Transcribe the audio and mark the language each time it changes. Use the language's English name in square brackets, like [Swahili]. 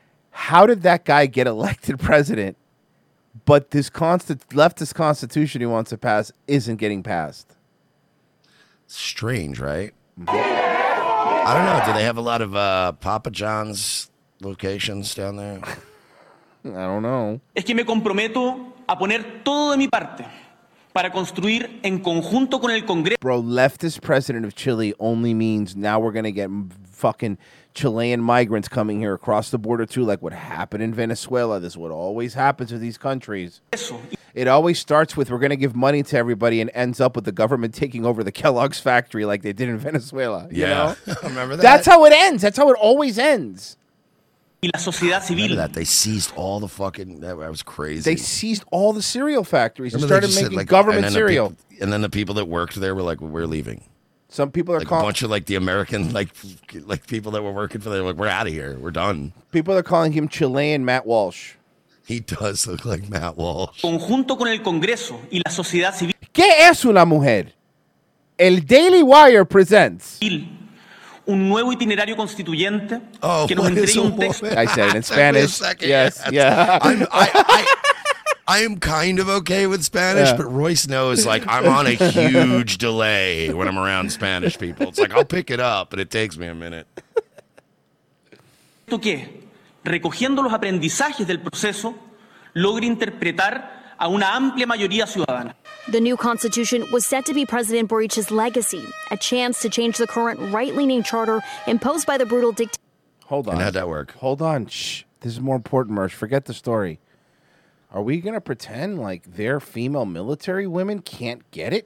[English] How did that guy get elected president, but this leftist constitution he wants to pass isn't getting passed? Strange, right? I don't know. Do they have a lot of Papa John's locations down there? I don't know. [Spanish] Es que me comprometo a poner todo de mi parte para construir en conjunto con el Congreso. [English] Bro, leftist president of Chile only means now we're going to get fucking Chilean migrants coming here across the border too, like what happened in Venezuela. This is what always happens with these countries. It always starts with we're going to give money to everybody and ends up with the government taking over the Kellogg's factory like they did in Venezuela. Yeah, you know? Remember that? That's how it ends. That's how it always ends. [Spanish] Y la sociedad civil. [English] That. They seized all the fucking, that was crazy. They seized all the cereal factories and started making government cereal. And then the people that worked there were like, we're leaving. Some people are like calling. A bunch of like the American, like people that were working for them, like, we're out of here. We're done. People are calling him Chilean Matt Walsh. He does look like Matt Walsh. [Spanish] Conjunto con el Congreso y la sociedad civil. ¿Qué es una mujer? El Daily Wire presents. Un nuevo itinerario constituyente. Oh, que nos entregue un texto. [English] I said it in Spanish. Yes, yeah. I am kind of okay with Spanish, yeah. But Royce knows, like, I'm on a huge delay when I'm around Spanish people. It's like, I'll pick it up, but it takes me a minute. [Spanish] ¿Qué? Recogiendo los aprendizajes del proceso, logre interpretar a una amplia mayoría ciudadana. [English] The new constitution was set to be President Boric's legacy, a chance to change the current right-leaning charter imposed by the brutal dictator. Hold on. And how'd that work? Hold on. Shh. This is more important, Marsh. Forget the story. Are we going to pretend like their female military women can't get it?